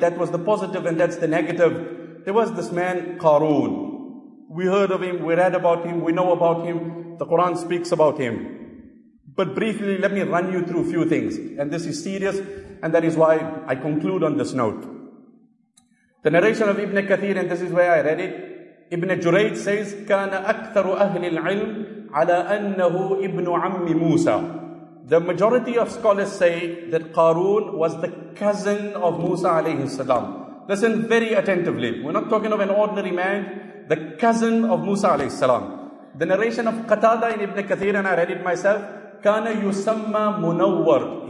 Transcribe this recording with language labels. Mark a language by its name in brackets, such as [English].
[English] That was the positive and that's the negative. There was this man, Qarun. We heard of him. We read about him. We know about him. The Quran speaks about him. But briefly, let me run you through a few things. And this is serious. And that is why I conclude on this note. The narration of Ibn Kathir, and this is where I read it. Ibn Jurayd says, [Arabic] كان أكثر أهل العلم على أنه ابن عم موسى. [English] The majority of scholars say that Qarun was the cousin of Musa alayhi salam. Listen very attentively. We're not talking of an ordinary man. The cousin of Musa alayhi salam. The narration of Qatada in Ibn Kathir, and I read it myself. [Arabic] كان يسمى منور.